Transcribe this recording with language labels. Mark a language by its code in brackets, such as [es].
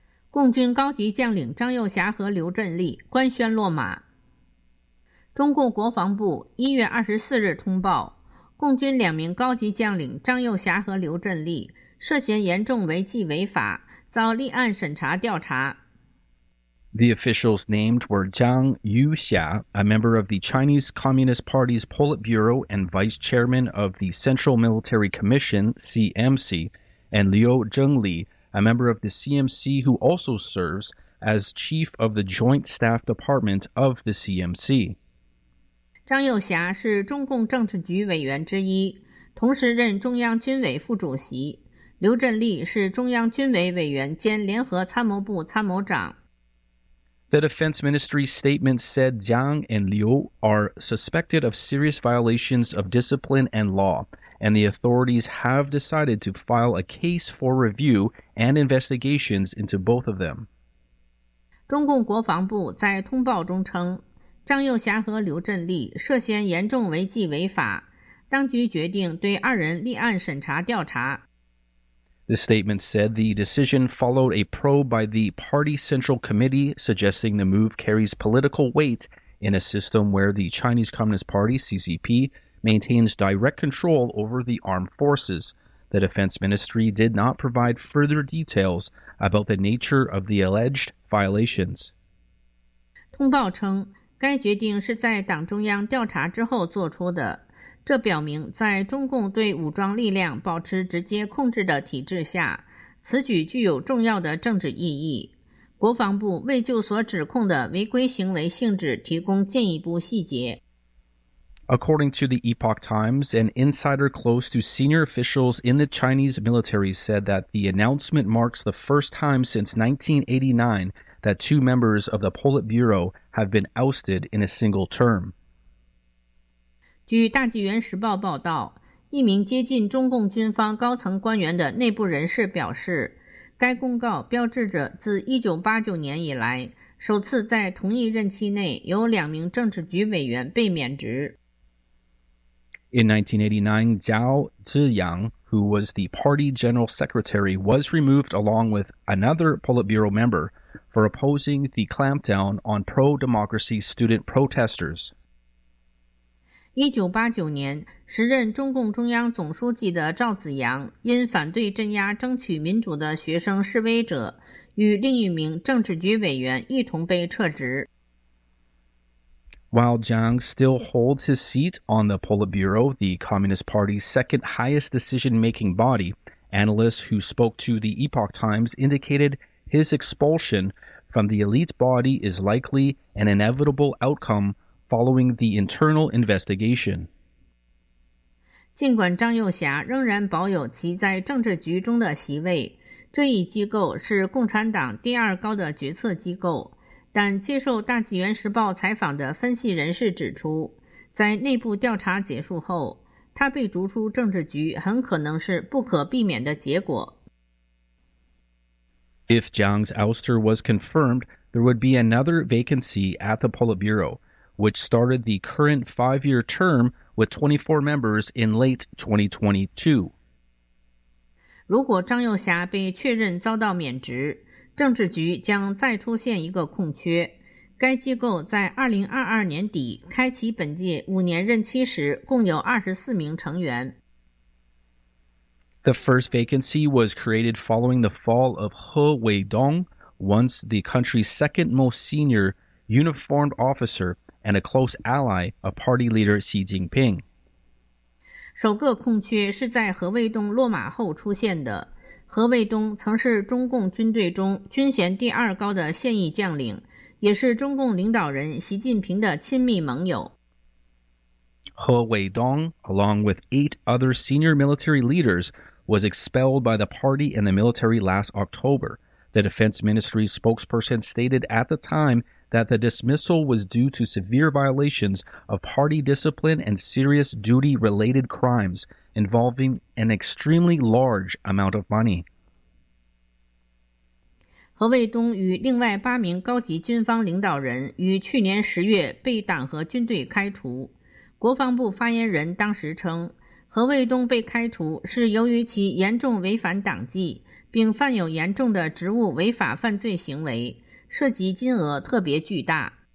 [zh] 共军高级将领张又侠和刘振利官宣落马。中共国防部1月24日通报，共军两名高级将领张又侠和刘振利涉嫌严重违纪违法，遭立案审查调查。 [en] The officials named were Zhang Youxia, a member of the Chinese Communist Party's Politburo and vice chairman of the Central Military Commission, CMC, and Liu Zhengli, a member of the CMC who also serves as chief of the Joint Staff Department of the CMC. [zh] Zhang Youxia 是中共政治局委员之一，同时任中央军委副主席。刘振利是中央军委委员兼联合参谋部参谋长。 [en] The Defense Ministry's statement said Zhang and Liu are suspected of serious violations of discipline and law, and the authorities have decided to file a case for review and investigations into both of them. [zh] 中共国防部在通报中称，张又侠和刘振利涉嫌严重违纪违法，当局决定对二人立案审查调查。 [en] The statement said the decision followed a probe by the Party Central Committee, suggesting the move carries political weight in a system where the Chinese Communist Party, CCP, maintains direct control over the armed forces. The Defense Ministry did not provide further details about the nature of the alleged violations. [zh] 通报称，该决定是在党中央调查之后做出的。这表明在中共对武装力量保持直接控制的体制下，此举具有重要的政治意义。国防部未就所指控的违规行为性质提供进一步细节。 [en] According to the Epoch Times, an insider close to senior officials in the Chinese military said that the announcement marks the first time since 1989 that two members of the Politburo have been ousted in a single term. [zh] 据《大纪元时报》报道，一名接近中共军方高层官员的内部人士表示，该公告标志着自1989年以来，首次在同一任期内有两名政治局委员被免职。 [en] In 1989, Zhao Ziyang, who was the Party General Secretary, was removed along with another Politburo member for opposing the clampdown on pro-democracy student protesters. [zh] 1989年，时任中共中央总书记的赵紫阳因反对镇压争取民主的学生示威者，与另一名政治局委员一同被撤职。 [en] While Zhang still holds his seat on the Politburo, the Communist Party's second highest decision-making body, analysts who spoke to the Epoch Times indicated his expulsion from the elite body is likely an inevitable outcome following the internal investigation. [zh] 尽管张又侠仍然保有其在政治局中的席位，这一机构是共产党第二高的决策机构。但接受《大纪元时报》采访的分析人士指出，在内部调查结束后，他被逐出政治局很可能是不可避免的结果。 [en] If Zhang's ouster was confirmed, there would be another vacancy at the Politburo, which started the current five-year term with 24 members in late 2022. [zh] 如果张又侠被确认遭到免职，政治局将再出现一个空缺，该机构在2022年底开启本届五年任期时共有24名成员。 [en] The first vacancy was created following the fall of He Weidong, once the country's second most senior uniformed officer and a close ally of party leader Xi Jinping. [zh] 首个空缺是在何卫东落马后出现的。何卫东曾是中共军队中军衔第二高的现役将领，也是中共领导人习近平的亲密盟友。 [en] 何卫东 along with eight other senior military leaders, was expelled by the party and the military last October. The Defense Ministry's spokesperson stated at the time that the dismissal was due to severe violations of party discipline and serious duty-related crimes involving an extremely large amount of money. [zh] 何卫东与另外八名高级军方领导人于去年十月被党和军队开除。国防部发言人当时称，何卫东被开除是由于其严重违反党纪，并犯有严重的职务违法犯罪行为，涉及金额特别巨大。